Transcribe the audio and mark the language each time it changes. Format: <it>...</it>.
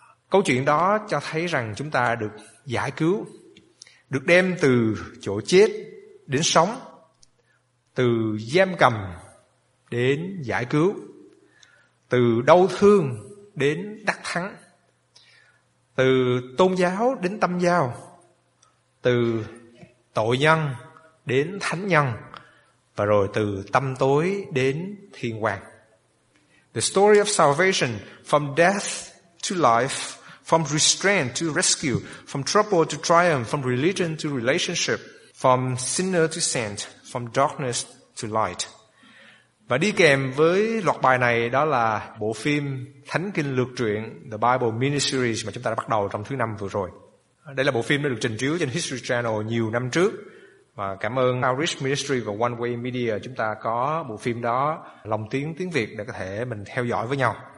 <vi>Câu chuyện đó cho thấy rằng chúng ta được giải cứu, được đem từ chỗ chết đến sống, từ giam cầm đến giải cứu, từ đau thương đến đắc thắng, từ tôn giáo đến tâm giao, từ tội nhân đến thánh nhân, và rồi từ tâm tối đến thiên quang.</vi> <en>The story of salvation, from death to life, from restraint to rescue, from trouble to triumph, from religion to relationship, from sinner to saint, from darkness to light.</en> <vi>Và đi kèm với loạt bài này đó là bộ phim Thánh Kinh Lược Truyện, The Bible Miniseries, mà chúng ta đã bắt đầu trong thứ năm vừa rồi. Đây là bộ phim đã được trình chiếu trên History Channel nhiều năm trước. Và cảm ơn Outreach Ministry và One Way Media, chúng ta có bộ phim đó lồng tiếng tiếng Việt để có thể mình theo dõi với nhau.</vi>